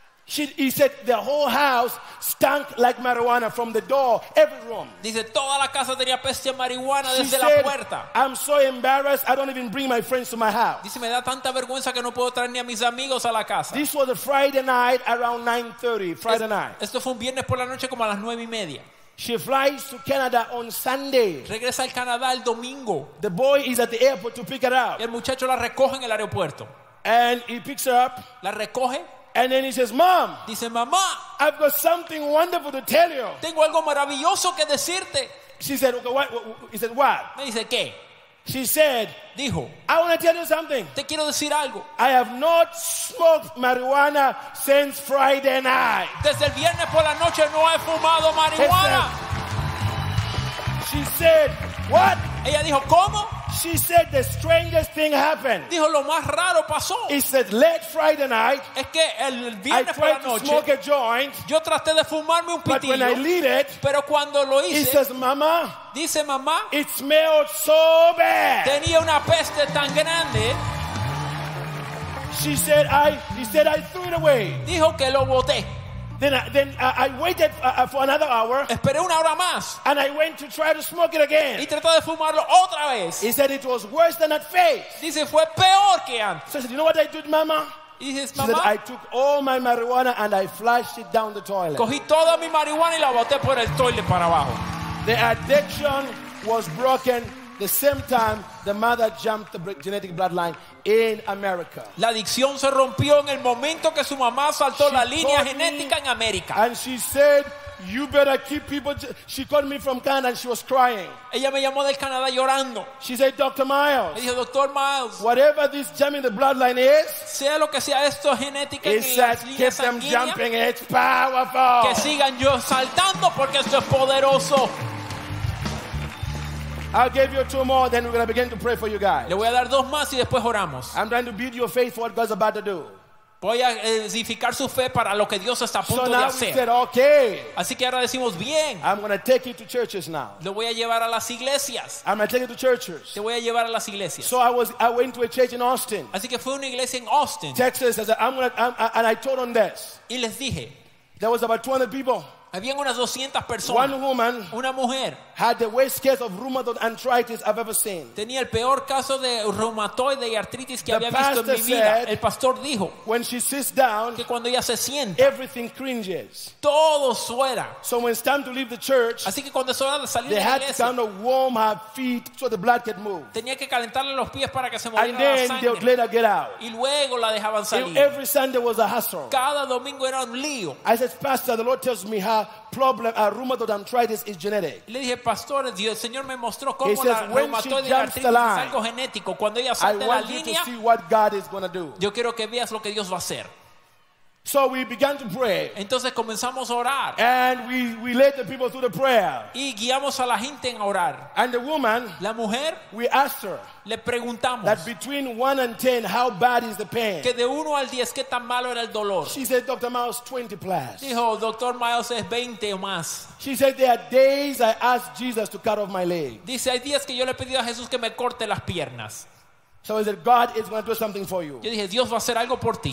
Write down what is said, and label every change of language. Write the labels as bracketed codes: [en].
[en] He said the whole house stunk like marijuana from the door, every room. [es] Dice toda la casa tenía peste de marihuana desde la puerta. [en] I'm so embarrassed. I don't even bring my friends to my house. [es] Dice me da tanta vergüenza que no puedo traer ni a mis amigos a la casa. [en] This was a Friday night around 9:30. Friday night. [es] Esto fue un viernes por la noche como a las 9:30. [en] She flies to Canada on Sunday. [es] Regresa al Canadá el domingo. [en] The boy is at the airport to pick her up. [es] Y el muchacho la recoge en el aeropuerto. [en] And he picks her up. [es] La recoge. [en] And then he says, "Mom." [es] Dice, "Mamá." [en] "I've got something wonderful to tell you." [es] Tengo algo maravilloso que decirte. [en] She said, "Okay, what?" He said, "What?" [es] Me dice, "¿Qué?" [en] She said, [es] "Dijo, [en] I want to tell you something. [es] Te quiero decir algo. [en] I have not smoked marijuana since Friday night." [es] Desde el viernes por la noche no he fumado marihuana. [en] She said, "What?" [es] Ella dijo, "¿Cómo?" [en] She said, "The strangest thing happened." [es] Dijo, "Lo más raro pasó." [en] He said, "Late Friday night, [es] es que el viernes [en] I tried [es] por la noche, [en] to smoke a joint, [es] yo traté de fumarme un pitillo, [en] but when I lit it, [es] pero cuando lo hice, [en] he says, Mama, [es] dice, Mamá, [en] it smelled so bad." [es] Tenía una peste tan grande. [en] She said, "I threw it away." [es] Dijo que lo boté. [en] Then I waited for another hour. [es] Esperé una hora más. [en] And I went to try to smoke it again. [es] Y traté de fumarlo otra vez. [en] He said it was worse than at first. [es] Dice, fue peor que antes. [en] So I said, "You know what I did, Mama?" [es] Y dice, [en] "Mamá." She said, "I took all my marijuana and I flushed it down the toilet." [es] Cogí toda mi marihuana y la boté por el toilet para abajo. [en] The addiction was broken the same time the mother jumped the genetic bloodline. In America. [es] La adicción se rompió en el momento que su mamá saltó [en] she [es] la línea genética en América. [en] And she said, "You better keep people." She called me from Canada and she was crying. [es] Ella me llamó del Canadá llorando. [en] She said, "Dr. Myles." [es] Me dijo, "Doctor Myles." [en] "Whatever this jumping the bloodline is." [es] Sea lo que sea esto genética en la línea [en] keep them jumping. It's powerful. [es] Que sigan yo saltando porque esto es poderoso. [en] I'll give you two more, then we're going to begin to pray for you guys. [es] Le voy a dar dos más y después oramos. [en] I'm trying to build your faith for what God's about to do. [es] Voy a edificar su fe para lo que Dios está a punto [en] so now [es] de hacer. [en] We said, okay, [es] así que ahora decimos, bien. [en] I'm going to take you to churches now. [es] Lo voy a llevar a las iglesias. [en] I'm going to take you to churches. [es] Te voy a llevar a las iglesias. [en] So I went to a church in Austin. [es] Así que fui a una iglesia en Austin. [en] Texas, and I told on this. [es] Y les dije. [en] There was about 200 people. [es] Habían unas 200 personas. [en] One woman, [es] una mujer, [en] had the worst case of rheumatoid arthritis I've ever seen. [es] Tenía el peor caso de reumatoide y artritis que [en] the [es] había visto en mi vida. El pastor dijo, [en] when she sits down, [es] que cuando ella se sienta, [en] everything cringes. [es] Todo suena. [en] So when it's time to leave the church, [es] así que cuando es hora de salir [en] they [es] de la iglesia, [en] had to kind of warm her feet so the blood could move. [es] Tenía que calentarle los pies para que se moviera la sangre. [en] And then they would let her get out. [es] Y luego la dejaban salir. [en] Every Sunday was a hassle. [es] Cada domingo era un lío. [en] I said, "Pastor, the Lord tells me how problem a rheumatoid arthritis is genetic." [es] Le dije, "Pastor, Dios, el Señor me mostró cómo la reumatoide artritis es algo genético. Cuando ella salta la línea, [en] I want you to see what God is going to do." [es] Yo quiero que veas lo que Dios va a hacer. [en] So we began to pray. [es] Entonces comenzamos a orar. [en] And we led the people through the prayer. [es] Y guiamos a la gente en orar. [en] And the woman, [es] la mujer, [en] we asked her, [es] le preguntamos, [en] that between 1 and 10, how bad is the pain? [es] Que de 1 al 10, ¿qué tan malo era el dolor? [en] She said, "Dr. Miles, 20 plus." [es] Dijo, "Dr. Miles, es 20 o más." [en] She said, "There are days I asked Jesus to cut off my leg." [es] Dice, hay días que yo le he pedido a Jesús que me corte las piernas. [en] So I said, "God is going to do something for you." [es] Yo dije, Dios va a hacer algo por ti.